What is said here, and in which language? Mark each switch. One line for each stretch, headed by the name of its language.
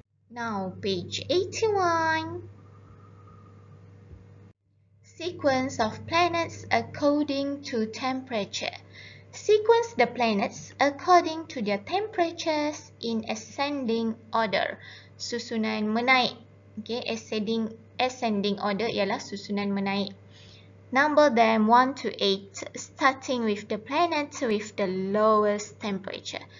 English: Now, page 81. Sequence of planets according to temperature. Sequence the planets according to their temperatures in ascending order.
Malay: Susunan menaik. Okay, ascending order ialah susunan menaik.
English: Number them 1 to 8, starting with the planets with the lowest temperature.